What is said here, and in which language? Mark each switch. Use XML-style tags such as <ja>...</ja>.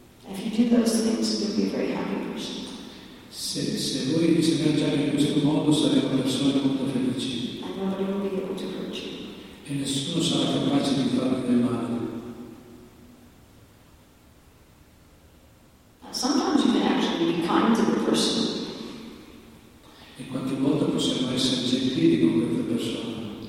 <en>If you do those things, you'll be a very happy person.</en> <it>Se voi vi sentite in questo modo, sarete una persona molto felice.</it> <en>And nobody will be able to hurt you.</en> <it>E nessuno sarà capace di farvi del male.</it> <en>Now, sometimes you can actually be kind to the person.</en> <it>E qualche volta possiamo essere gentili con questa persona.</it>